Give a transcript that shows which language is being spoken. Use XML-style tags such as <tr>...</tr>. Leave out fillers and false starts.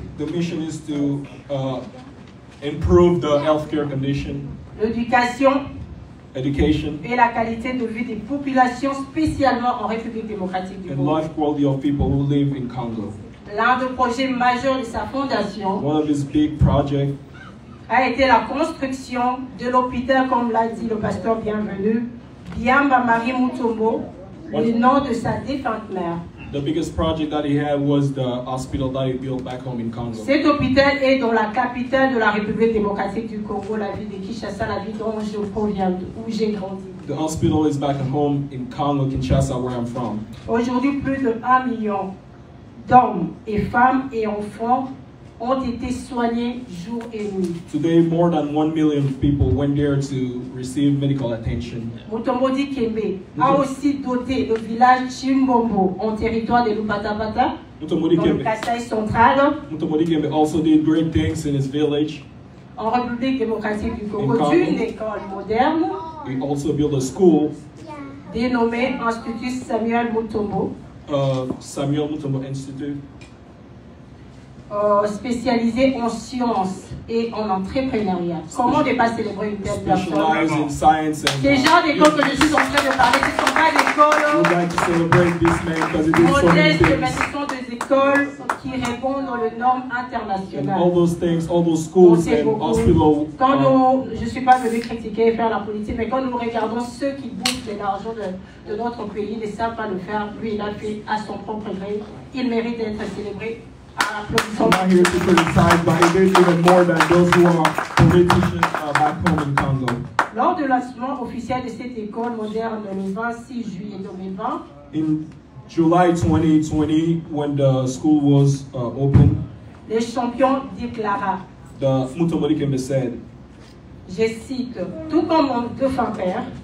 <en>The mission is to improve the healthcare condition. Education.</en> <fr>Et la qualité de vie des populations, spécialement en République démocratique du Congo.</fr> <en>And life quality of people who live in Congo.</en> <fr>L'un des projets majeurs de sa fondation.</fr> <en>One of his big projects.</en> <fr>A été la construction de l'hôpital, comme l'a dit le pasteur bienvenu, Biamba Marie Mutombo, le nom de sa défunte mère.</fr> <en>The biggest project that he had was the hospital that he built back home in Congo.</en> <fr>Cet hôpital est dans la capitale de la République démocratique du Congo, la ville de Kinshasa, la ville dont je proviens, où j'ai grandi.</fr> <en>The hospital is back home in Congo, Kinshasa, where I'm from.</en> <fr>Aujourd'hui, plus de 1 million d'hommes et femmes et enfants ont été soignés jour et nuit.</fr> <en>Today, more than 1 million people went there to receive medical attention.</en> <fr>Mutombo Dikembe a aussi doté le village Chimbombo en territoire de Lupatapata, dans le Kasaï central.</fr> <en>Mutombo Dikembe also did great things in his village.</en> <fr>En République démocratique du Congo, d'une école moderne.</fr> <en>He also built a school.</en> <fr>Dénommé Institut Samuel Mutombo.</fr> <en>Samuel Mutombo Institute.</en> <fr>Spécialisé en sciences et en entrepreneuriat. Comment ne pas célébrer une telle personne? Ces gens d'école que je suis en train de parler, ce ne sont pas d'écoles. Ce sont des écoles qui répondent aux normes internationales.</fr> <en>And all those things, all those schools and hospitals.</en> <fr>Quand nous, je ne suis pas venu critiquer et faire la politique, mais quand nous regardons ceux qui bouffent l'argent de notre pays, ne savent pas le faire. Lui, il a fait à son propre gré. Il mérite d'être célébré.</fr> <en>I'm not here to criticize, but it is even more than those who are politicians back home in Congo.</en> <fr>Lors du lancement officiel de cette école moderne le 26 juillet 2020,</fr> <en>in July 2020, when the school was open,</en> <fr>les champions déclara,</fr> <en>the Mutombo Dikembe said,</en> <fr>je cite, tout comme mon défunt père,</fr>